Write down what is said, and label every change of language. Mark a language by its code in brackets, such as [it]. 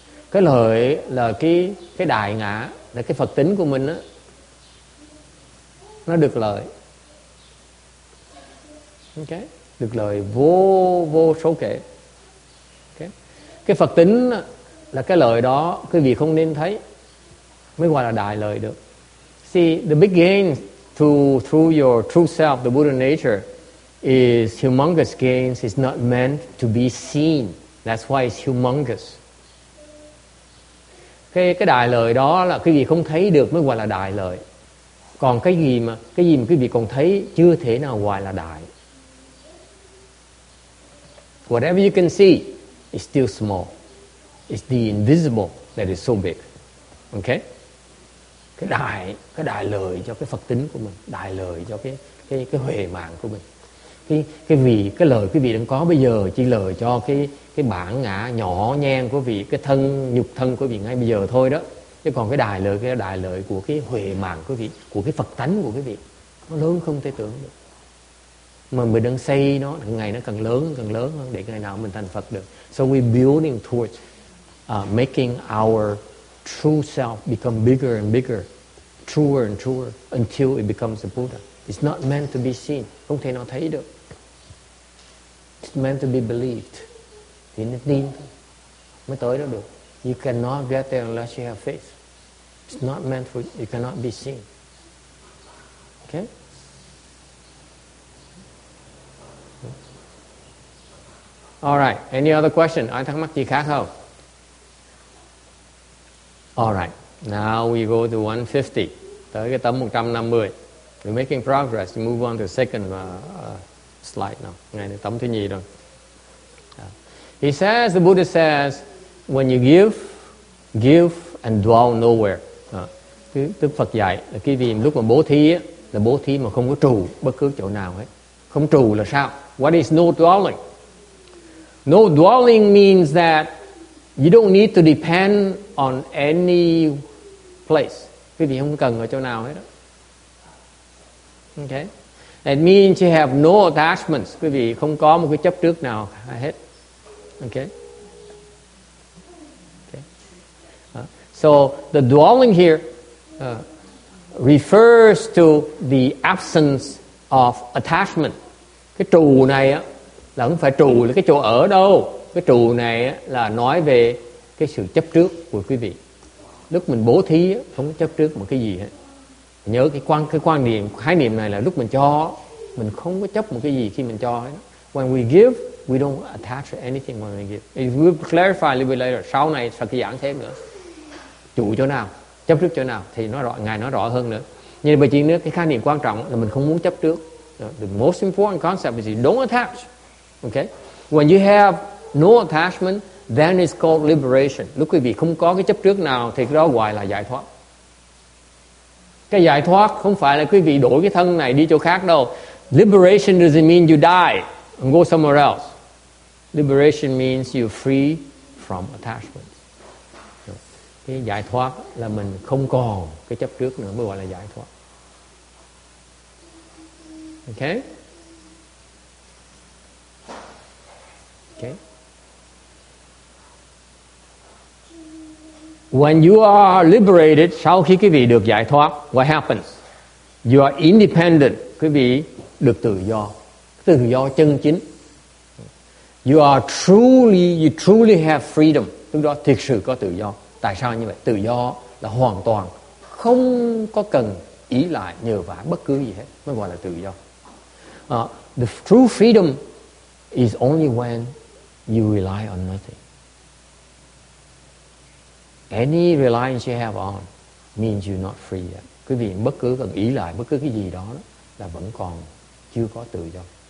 [vi] Cái lợi là cái đại ngã, là cái Phật tính của mình á. Nó được lợi. Okay. Được lợi vô số kể. Okay. Cái Phật tính là cái lợi đó quý vị không nên thấy mới gọi là đại lợi được. [en] See, the big gain through your true self, the Buddha nature, is humongous gains. It's not meant to be seen. That's why it's humongous. [vi] Cái đại lợi đó là quý vị không thấy được mới gọi là đại lợi. Còn cái gì mà quý vị còn thấy chưa thể nào gọi là đại. [en] Whatever you can see is still small. It's the invisible that is so big. Okay? [vi] Cái đại lợi cho cái Phật tính của mình, đại lợi cho cái huệ mạng của mình. Cái lợi quý vị đang có bây giờ chỉ lợi cho cái bản ngã nhỏ nhen của vị, cái thân nhục thân của vị ngay bây giờ thôi đó. Chứ còn cái đại lợi của cái huệ mạng của vị, của cái Phật tánh của quý vị, nó lớn không thể tưởng được. Mà mình đang xây nó, ngày nó càng lớn hơn để ngày nào mình thành Phật được. [en] So we building towards making our true self become bigger and bigger, truer and truer, until it becomes a Buddha. It's not meant to be seen. [vi] Không thể nào thấy được. [en] It's meant to be believed. [vi] Thì nó tin mới tới đó được. [en] You cannot get there unless you have faith. It's not meant for you. It cannot be seen. Okay? All right. Any other question? [vi] Ai thắc mắc gì khác không? [en] All right. Now we go to 150. [vi] Tới cái tấm 150. [en] We're making progress. We move on to the second slide now. [vi] Ngay đến tấm thứ nhì rồi. [en] He says, the Buddha says, when you give and dwell nowhere. [vi] Tức Phật dạy là cái gì lúc mà bố thí á, là bố thí mà không có trụ bất cứ chỗ nào hết. Không trụ là sao? [en] What is no dwelling? No dwelling means that you don't need to depend on any place. [vi] Quý vị không cần ở chỗ nào hết đó. Okay. [en] That means you have no attachments. [vi] Quý vị không có một cái chấp trước nào hết. [en] Okay. So the dwelling here refers to the absence of attachment. [vi] Cái trụ này á, là không phải trụ là cái chỗ ở đâu. Cái trụ này á, là nói về cái sự chấp trước của quý vị. Lúc mình bố thí á, không có chấp trước một cái gì hết. Nhớ cái quan niệm, khái niệm này là lúc mình cho, mình không có chấp một cái gì khi mình cho hết. [en] When we give, we don't attach to anything when we give. It will clarify a little bit later. [vi] Sau này sẽ giảng thêm nữa. Chủ chỗ nào, chấp trước chỗ nào thì ngài nói rõ hơn nữa. Nhưng mà chuyện nữa, cái khái niệm quan trọng là mình không muốn chấp trước. [en] The most important concept is you don't attach. Okay? When you have no attachment, then it's called liberation. [vi] Lúc quý vị không có cái chấp trước nào thì đó gọi là giải thoát. Cái giải thoát không phải là quý vị đổi cái thân này đi chỗ khác đâu. [en] Liberation doesn't mean you die and go somewhere else. Liberation means you're free from attachment. [vi] Cái giải thoát là mình không còn cái chấp trước nữa mới gọi là giải thoát. [en] Okay? Okay. When you are liberated, [vi] sau khi quý vị được giải thoát, [en] what happens? You are independent. [vi] Quý vị được tự do. Tự do chân chính. [en] You truly have freedom. [vi] Lúc đó thực sự có tự do. Tại sao như vậy? Tự do là hoàn toàn không có cần ý lại nhờ vả bất cứ gì hết mới gọi là tự do. [en] The true freedom is only when you rely on nothing. Any reliance you have on means you're not free yet. [vi] Quý vị bất cứ cần ý lại bất cứ cái gì đó là vẫn còn chưa có tự do.